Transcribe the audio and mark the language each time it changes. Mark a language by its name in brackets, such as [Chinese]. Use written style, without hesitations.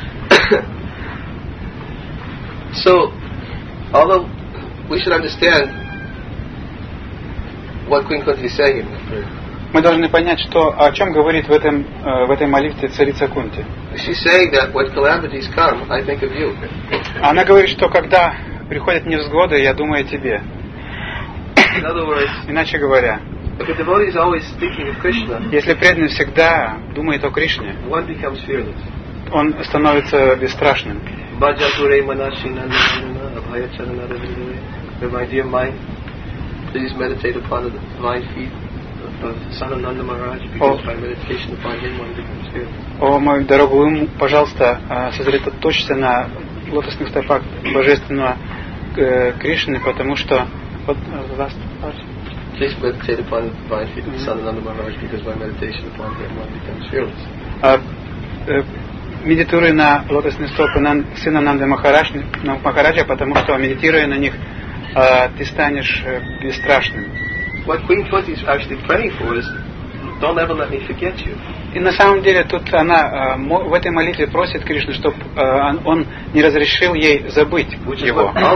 [English] So, although we should understand what Queen Kunti is saying. [Russian] Мы должны понять, что о чем говорит в этой молитве царица Кунти. [English] She's saying that when calamities come, I think of you. [Russian] Она говорит, что когда приходят невзгоды, я думаю о тебе. [English] In other words. [Russian] Иначе говоря. [English] If a devotee is always thinking of Krishna, [Russian] если преданный всегда думает о Кришне, [English] one becomes fearless. [Russian] Он становится бесстрашным. [Sanskrit] Bhajature manashinanana abhaya charanaravindu. [English] May my dear mind please meditate upon the divine feet of the son of Nanda Maharaj, because by meditation upon him one becomes fearless. [Russian] О мой дорогой, пожалуйста, сосредоточься на лотосных стопах божественного Кришны, потому что [English] the last part. Please meditate upon the divine feet of Sadhananda Maharaj, because by meditation upon him one becomes fearless. [Russian] Медитируй на лотосные стопы сына Нанды Махараджа, потому что медитируя на них, ты станешь бесстрашным. [English] What Queen Kunti is actually praying for is, don't ever let me forget you. [Russian] И на самом деле тут она в этой молитве просит Кришну, чтобы он не разрешил ей забыть его.